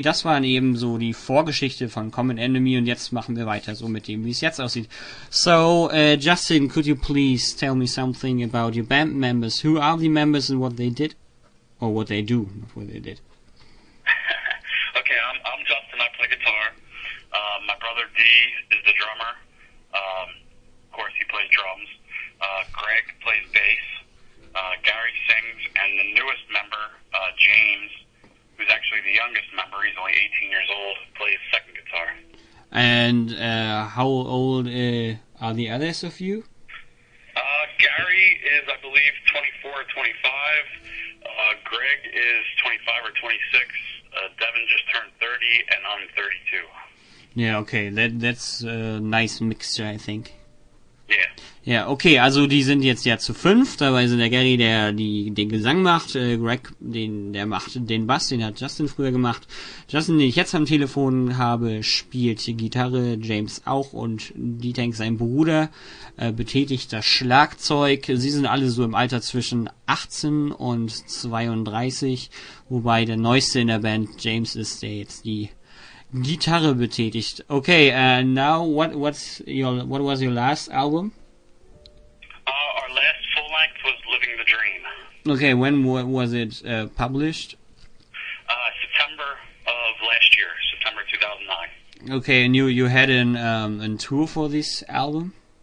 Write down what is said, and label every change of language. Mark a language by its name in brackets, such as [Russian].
[German] Das waren eben so die Vorgeschichte von Common Enemy und jetzt machen wir weiter so mit dem, wie es jetzt aussieht. [English] So, Justin, could you please tell me something about your band members? Who are the members and what they did? Or what they do, not what they did. Okay, I'm Justin, I play guitar. My brother D is the drummer. Of course, he plays drums. Greg plays bass. Gary sings, and the newest member, James, who's actually the youngest member, he's only 18 years old, plays second guitar. And how old are the others of you? Gary is, I believe, 24 or 25. Greg is 25 or 26. Devin just turned 30, and I'm 32. Yeah, okay, that's a nice mixture, I think. Yeah. [German] Ja, okay, also die sind jetzt ja zu fünf, dabei sind der Gary, der den Gesang macht, Greg, der macht den Bass, den hat Justin früher gemacht. Justin, den ich jetzt am Telefon habe, spielt Gitarre, James auch und Dietank, sein Bruder, betätigt das Schlagzeug. Sie sind alle so im Alter zwischen 18 und 32, wobei der Neueste in der Band, James, ist, der jetzt die Gitarre betätigt. [English] Okay, now what was your last album? Our last full length was Living the Dream. Okay, when was it published? September of last year, September 2009. Okay, and you had an tour for this album?